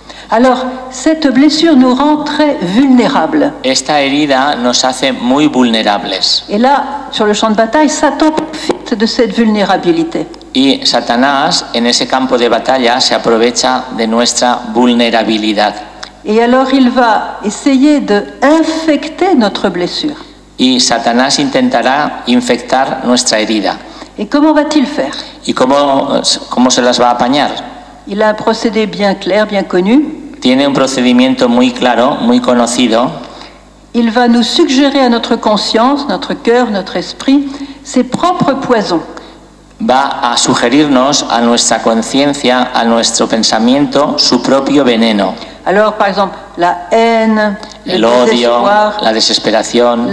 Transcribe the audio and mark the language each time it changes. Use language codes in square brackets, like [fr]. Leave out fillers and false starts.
[fr] Alors, cette blessure nous rend très vulnérables. [es] Esta herida nos hace muy vulnerables. [fr] Et là, sur le champ de bataille, Satan profite de cette vulnérabilité. [es] Y Satanás, en ese campo de batalla, se aprovecha de nuestra vulnerabilidad. [fr] Et alors, il va essayer de infecter notre blessure. [es] Y Satanás intentará infectar nuestra herida. [fr] Et comment va-t-il faire? [es] Y cómo se las va a apañar? [fr] Il a un procédé bien clair, bien connu. [es] Tiene un procedimiento muy claro, muy conocido. [fr] Il va nous suggérer à notre conscience, notre cœur, notre esprit, ses propres poisons. [es] Va a sugerirnos a nuestra conciencia, a nuestro pensamiento, su propio veneno. [fr] Alors, par exemple, la haine, [es] el odio, la desesperación,